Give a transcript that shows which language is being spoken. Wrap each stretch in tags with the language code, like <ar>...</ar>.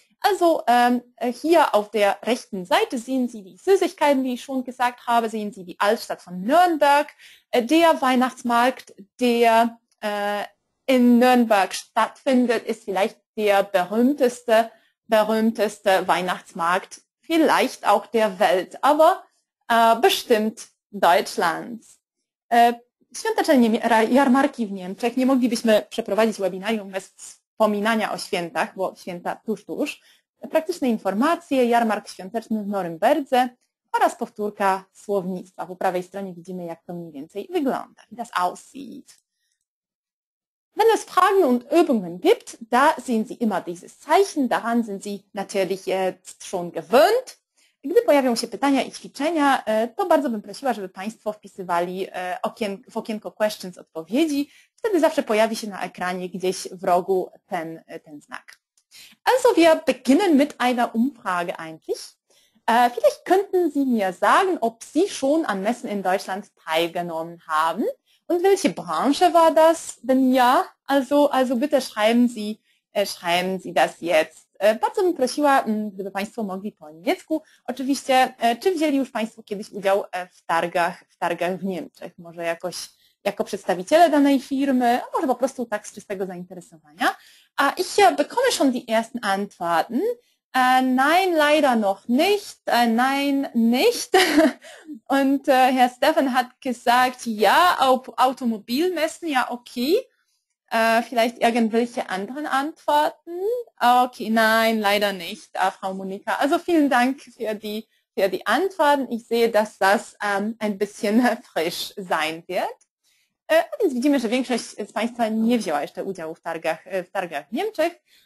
<de>Also hier auf der rechten Seite sehen Sie die Süßigkeiten, die ich schon gesagt habe, sehen Sie die Altstadt von Nürnberg, der Weihnachtsmarkt, der in Nürnberg stattfindet, ist vielleicht der berühmteste Weihnachtsmarkt, vielleicht auch der Welt, aber bestimmt Deutschlands.</de> <pl>Świąteczne jarmarki w Niemczech. Nie moglibyśmy przeprowadzić webinarium bez wspominania o świętach, bo święta tuż, tuż. Praktyczne informacje, jarmark świąteczny w Norymberdze oraz powtórka słownictwa. Po prawej stronie widzimy, jak to mniej więcej wygląda.</pl> <de>Das aussieht. Wenn es Fragen und Übungen gibt, da sehen Sie immer dieses Zeichen. Daran sind Sie natürlich jetzt schon gewöhnt.</de> <pl>Gdy pojawią się pytania i ćwiczenia, to bardzo bym prosiła, żeby Państwo wpisywali w okienko questions odpowiedzi. Wtedy zawsze pojawi się na ekranie gdzieś w rogu ten znak.</pl> <de>Also wir beginnen mit einer Umfrage eigentlich. Vielleicht könnten Sie mir sagen, ob Sie schon an Messen in Deutschland teilgenommen haben. Und welche Branche war das? Wenn ja, also bitte schreiben Sie das jetzt.</de> <pl>Bardzo bym prosiła, gdyby Państwo mogli po niemiecku. Oczywiście, czy wzięli już Państwo kiedyś udział w targach w Niemczech? Może jakoś jako przedstawiciele danej firmy, a może po prostu tak z czystego zainteresowania.</pl> <de>Ich bekomme schon die ersten Antworten. Nein, leider noch nicht. Nein, nicht. Und Herr Steffen hat gesagt, ja, auf Automobilmessen, ja, okay. Vielleicht irgendwelche anderen Antworten? Okay, nein, leider nicht, Frau Monika. Also vielen Dank für die Antworten. Ich sehe, dass das ein bisschen frisch sein wird.</de> <pl>Więc widzimy, że większość z Państwa nie wzięła jeszcze udziału w targach w Niemczech.</pl>